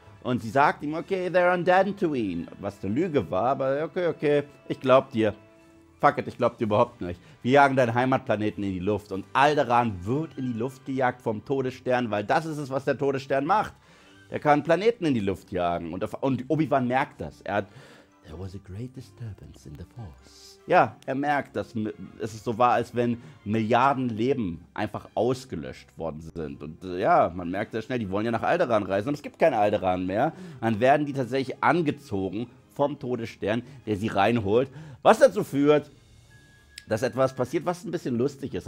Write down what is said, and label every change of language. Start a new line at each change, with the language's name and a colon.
German: Und sie sagt ihm, okay,
English: they're on Dantooine.
German: Was eine Lüge war, aber okay, ich glaub dir. Fuck it, ich glaub dir überhaupt nicht. Wir jagen deinen Heimatplaneten in die Luft. Und Alderaan wird in die Luft gejagt vom Todesstern, weil das ist es, was der Todesstern macht. Der kann Planeten in die Luft jagen. Und Obi-Wan merkt das. Er hat,
English: there was a great disturbance in the Force.
German: Ja, er merkt, dass es so war, als wenn Milliarden Leben einfach ausgelöscht worden sind. Und ja, man merkt sehr schnell, die wollen ja nach Alderaan reisen. Und es gibt keinen Alderaan mehr. Dann werden die tatsächlich angezogen vom Todesstern, der sie reinholt. Was dazu führt, dass etwas passiert, was ein bisschen lustig ist.